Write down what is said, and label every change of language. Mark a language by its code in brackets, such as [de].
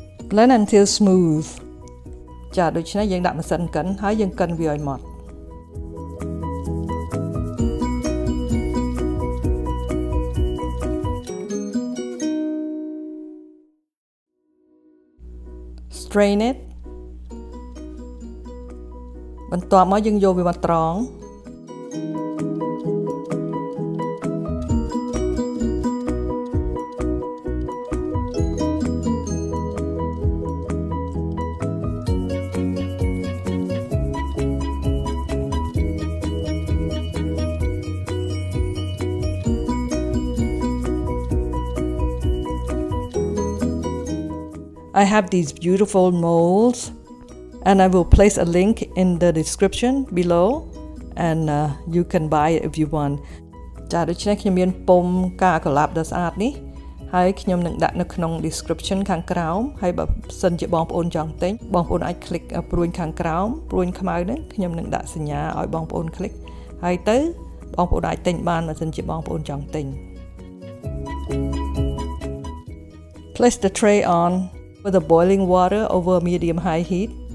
[en] Blend until smooth. [km] ចាដូច្នេះយើងដាក់ម៉ាស៊ីនកិនហើយយើងកិនវាឲ្យម៉ដ្ឋ [en] Strain it. [km] បន្ទាប់មកយើងយកវាមកត្រង [en] I have these beautiful molds and I will place a link in the description below and you can buy it if you want. [km] ចា៎ដូច្នេះខ្ញុំមានពុំការកឡាបដ៏ស្អាតនេះហើយខ្ញុំនឹងដាក់នៅក្នុង description ខាងក្រោមហើយបើសិនជាបងប្អូនចង់ទិញបងប្អូនអាច click ព្រួញខាងក្រោមព្រួញខ្មៅនឹងខ្ញុំនឹងដាក់សញ្ញាឲ្យបងប្អូន click ហើយទៅបងប្អូនអាចទិញបានបើសិនជាបងប្អូនចង់ទិញ [en] Place the tray onWith the boiling water over medium high heat.